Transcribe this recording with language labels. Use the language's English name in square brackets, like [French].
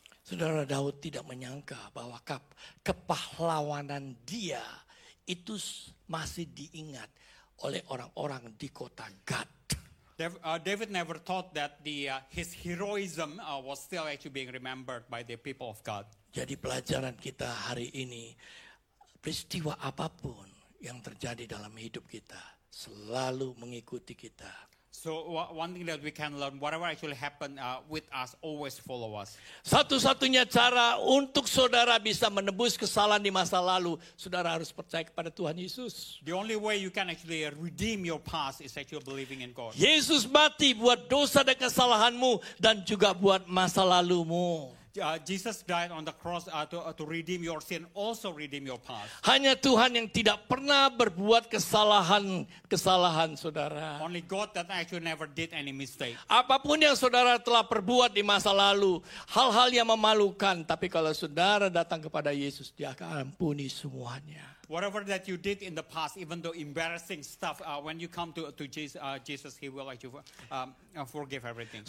[Indonesian] Saudara Daud tidak menyangka bahwa kepahlawanan dia itu masih diingat oleh orang-orang di kota Gad. [English] David never thought that his heroism was still actually being remembered by the people of God. [Indonesian] Jadi pelajaran kita hari ini, peristiwa apapun yang terjadi dalam hidup kita selalu mengikuti kita. [English] So one thing that we can learn, whatever actually happen with us, always follow us. [Indonesian] Satu-satunya cara untuk saudara bisa menebus kesalahan di masa lalu, saudara harus percaya kepada Tuhan Yesus. [English] The only way you can actually redeem your past is actually believing in God. [Indonesian] Yesus mati buat dosa dan kesalahanmu dan juga buat masa lalumu. [English] Jesus died on the cross to redeem your sin, also redeem your past. [Indonesian] Hanya Tuhan yang tidak pernah berbuat kesalahan, saudara. [English] Only God that actually never did any mistake. [Indonesian] Apapun yang saudara telah perbuat di masa lalu, hal-hal yang memalukan, tapi kalau saudara datang kepada Yesus, Dia akan ampuni semuanya. [English] Whatever that you did in the past, even though embarrassing stuff, when you come to Jesus, He will actually forgive everything.